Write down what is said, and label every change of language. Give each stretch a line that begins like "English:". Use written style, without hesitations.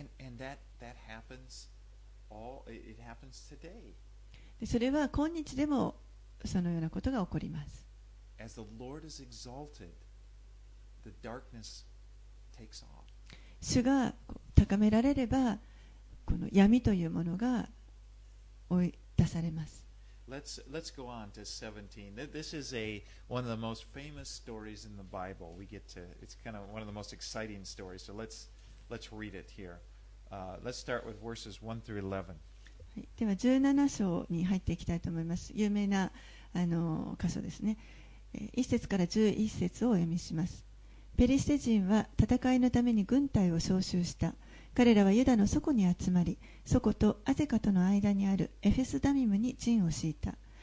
English: and that happens all, it happens today.
Japanese: でそれは今日でもそのようなことが起こります。
English: As the Lord is exalted, the darkness takes off.
Japanese: 主が高められれば、この闇というものが追い出されます。
English: Let's go on to 17. This is one of the most famous stories in the Bible. We get to, it's kind of one of the most exciting stories. So let's read it here. Let's start with verses 1 through 11.
Japanese: では17章に入っていきたいと思います。有名な箇所ですね。 1節から11節をお読みします。ペリシテ人は戦いのために軍隊を召集した。彼らはユダのソコに集まり、ソコとアゼカとの間にあるエフェスダミムに陣を敷いた。